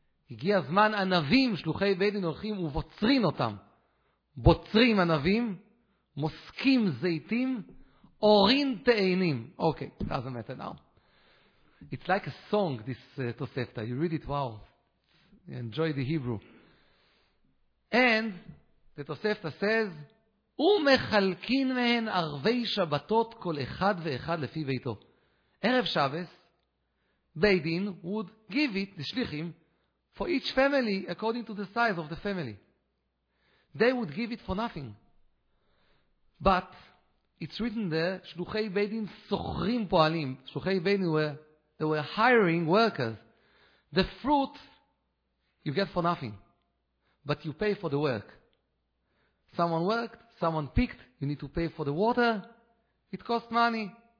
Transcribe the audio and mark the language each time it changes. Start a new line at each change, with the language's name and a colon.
Hebrew: הגיע זמן ענבים, שלוחי בית דין הולכים ובוצרים אותם. בוצרים ענבים, מוסקים זיתים, אורין תאנים.
English: Okay, doesn't matter now. It's like a song, this Tosefta. You read it, wow. Enjoy the Hebrew. And the Tosefta says,
Hebrew: ומחלקין מהן ערבי שבתות כל אחד ואחד לפי ביתו.
English: ערב שבס, בית דין would give it, the שליחים, for each family according to the size of the family. They would give it for nothing. But it's written there,
Hebrew: שלוחי בית דין סוחרים פועלים.
English: שלוחי בית דין were hiring workers. The fruit you get for nothing, but you pay for the work. Someone worked, someone picked, you need to pay for the water. It costs money.